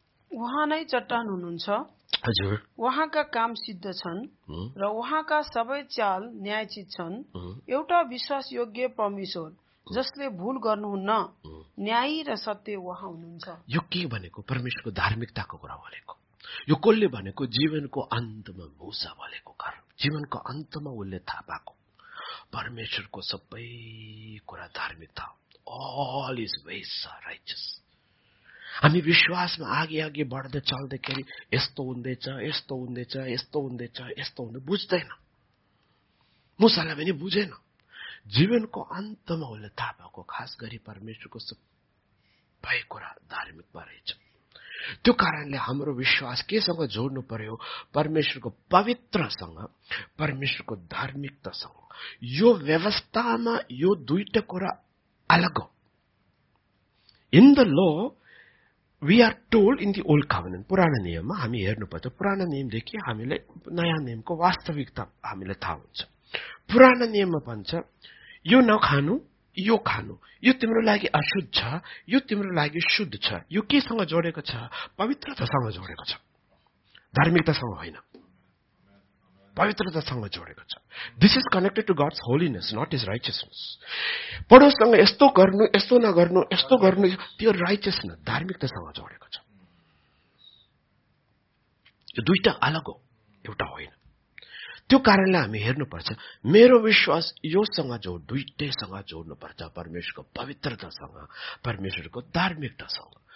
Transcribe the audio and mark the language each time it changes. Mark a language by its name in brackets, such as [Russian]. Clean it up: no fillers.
[Nepali] उहाँ नै चट्टान हुनुहुन्छ, उहाँका काम सिद्ध छन् र उहाँका सबै चाल न्यायचित छन्। एउटा विश्वासयोग्य परमेश्वर जसले भूल गर्नुहुन्न, न्यायी र सत्य उहाँ हुनुहुन्छ। यो के भनेको, परमेश्वरको धार्मिकताको कुरा बोलेको। यो कसले भनेको, जीवनको अन्तमा मूसा बोलेको कारण, जीवनको अन्तमा उसले थाहा पाएको। परमेश्वरको सबै कुरा धार्मिकता, [English] all his ways are righteous। [Nepali] हामी विश्वासमा आगे आगे बढ्दै चल्दाखेरि यस्तो हुँदैछ, यस्तो हुँदैछ, यस्तो हुँदैछ, यस्तो हुँदै बुझ्दैन, मुसालाई पनि बुझेन। जीवनको अन्तमा उसले थाहा पाएको, खास गरी परमेश्वरको सबै कुरा धार्मिकमा रहेछ। त्यो कारणले हाम्रो विश्वास केसँग जोड्नु पर्यो, परमेश्वरको पवित्रसँग, परमेश्वरको धार्मिकतासँग। यो व्यवस्थामा यो दुईटा कुरा अलग हो। [English] in the law we are told in the old covenant, [Nepali] पुरानो नियममा हामी हेर्नुपर्छ। पुरानो नियमदेखि हामीले नयाँ नियमको वास्तविकता हामीले थाहा हुन्छ। पुरानो नियममा भन्छ, यो नखानु, यो खानु, यो तिम्रो लागि अशुद्ध छ, यो तिम्रो लागि शुद्ध छ। यो केसँग जोडेको छ, पवित्रतासँग जोडेको छ, धार्मिकतासँग होइन, पवित्रतासँग जोडेको छ। [English] This is connected to God's holiness, not is righteousness. [Nepali] पडोससँग यस्तो गर्नु, यस्तो नगर्नु, यस्तो गर्नु, त्यो राइचियसनेस, धार्मिकतासँग जोडेको छ। यो दुईटा अलग हो, एउटा होइन। त्यो कारणले हामी हेर्नुपर्छ, मेरो विश्वास योसँग जोड, दुइटैसँग जोड्नुपर्छ, परमेश्वरको पवित्रतासँग, परमेश्वरको धार्मिकतासँग।